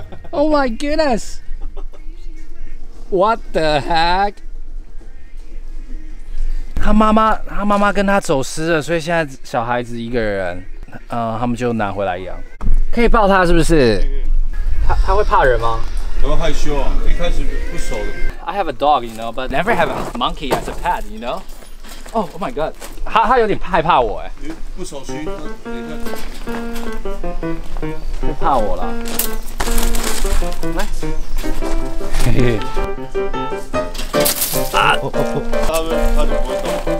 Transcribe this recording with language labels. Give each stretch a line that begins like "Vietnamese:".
English: Oh my goodness! What the heck?
Chinese: 他妈妈跟他走失了，所以现在小孩子一个人，他们就拿回来养。可以抱他是不是？他会怕人吗？很害羞啊，一开始不熟的。
English: I have a dog, you know, but never have a monkey as a pet, you know. Oh my god，
Chinese: 他有点害怕我哎，不熟悉，不怕我了，来，啊，他就不会动。